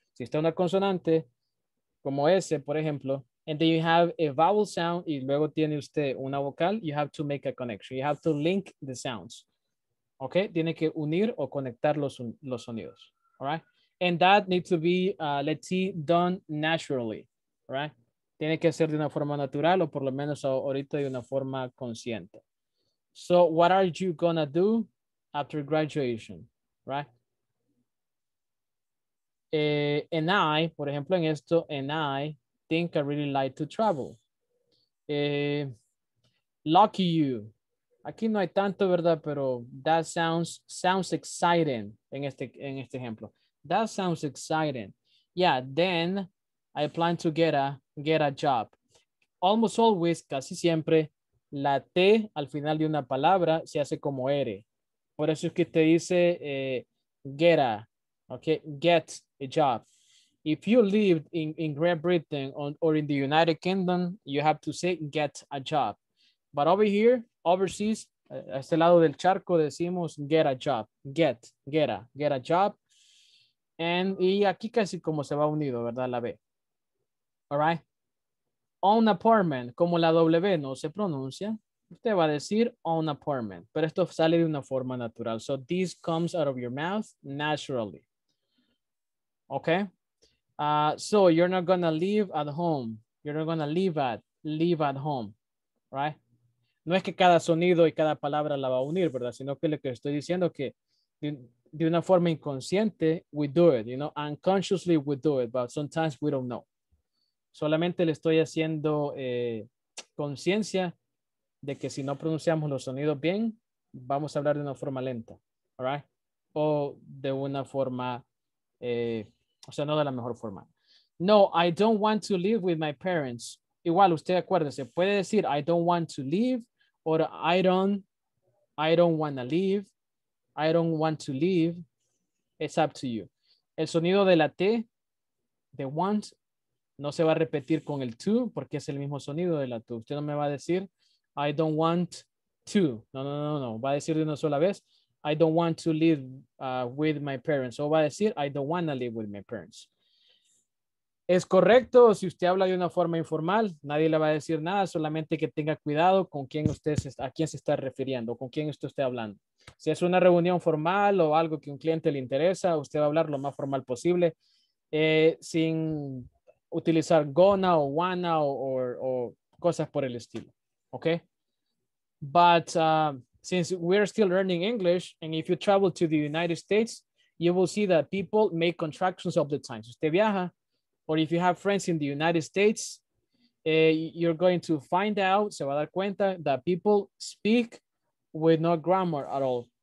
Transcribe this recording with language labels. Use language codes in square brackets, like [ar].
[es] Si está una consonante, como S, por ejemplo, [en] and then you have a vowel sound, [es] y luego tiene usted una vocal, [en] you have to make a connection. You have to link the sounds. Okay? [es] Tiene que unir o conectar los sonidos. [en] All right? and that needs to be, let's see, done naturally, right? [es] Tiene que ser de una forma natural o por lo menos ahorita de una forma consciente. [en] So what are you gonna do after graduation, right? And I, [es] por ejemplo, en esto, [en] and I think I really like to travel. Lucky you. [es] Aquí no hay tanto, ¿verdad? Pero [en] that sounds exciting [es] en este ejemplo. [en] That sounds exciting. Yeah, then I plan to get a job. Almost always, [es] casi siempre, la T al final de una palabra se hace como R. Por eso es que te dice get a, okay? [en] Get a job. If you live in Great Britain or in the United Kingdom, you have to say get a job. But over here, overseas, [es] a este lado del charco decimos [en] get a job, get a job. [es] And y aquí casi como se va unido, ¿verdad? La B. [en] All right. Own apartment, [es] como la W no se pronuncia, usted va a decir [en] own apartment, [es] pero esto sale de una forma natural. [en] So this comes out of your mouth naturally. Okay. So you're not going to live at home. You're not going to live at home, right? [es] No es que cada sonido y cada palabra la va a unir, ¿verdad? Sino que lo que estoy diciendo que de una forma inconsciente, [en] we do it, you know, unconsciously we do it, but sometimes we don't know. [es] Solamente le estoy haciendo conciencia de que si no pronunciamos los sonidos bien, vamos a hablar de una forma lenta, [en] all right? [es] O de una forma, o sea, no de la mejor forma. [en] No, I don't want to live with my parents. [es] Igual, usted acuérdese, puede decir [en] I don't want to live, or I don't want to live, I don't want to live, it's up to you. [es] El sonido de la T, [en] the want, [es] no se va a repetir con el to, porque es el mismo sonido de la to. Usted no me va a decir [en] I don't want to, [es] no, va a decir de una sola vez, [en] I don't want to live with my parents, [es] o va a decir I don't want to live with my parents. Es correcto, si usted habla de una forma informal, nadie le va a decir nada, solamente que tenga cuidado con quién usted a quién se está refiriendo, con quién usted está hablando. Si es una reunión formal o algo que un cliente le interesa, usted va a hablar lo más formal posible, sin utilizar gonna o wanna o cosas por el estilo, ¿ok? [en] But since we're still learning English, and if you travel to the United States, you will see that people make contractions all the time. [es] Si usted viaja, [en] or if you have friends in the United States, you're going to find out, [es] se va a dar cuenta, [en] that people speak with no grammar at all.